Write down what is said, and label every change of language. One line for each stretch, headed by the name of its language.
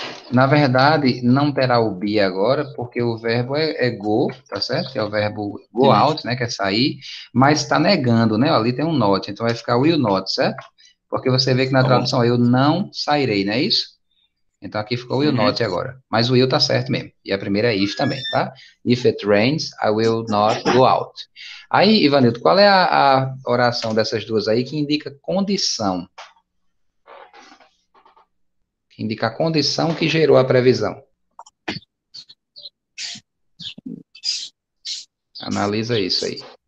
Portuguese: Na verdade, não terá o be agora, porque o verbo é go, tá certo? É o verbo go out, né? Que é sair, mas está negando, né? Ali tem um not, então vai ficar will not, certo? Porque você vê que na tradução eu não sairei, não é isso? Então aqui ficou will not agora. Mas o will tá certo mesmo. E a primeira é if também, tá?
English: If it rains, I will not go out.
Portuguese: Aí, Ivanildo, qual é a oração dessas duas aí que indica condição? Indica a condição que gerou a previsão. Analisa isso aí.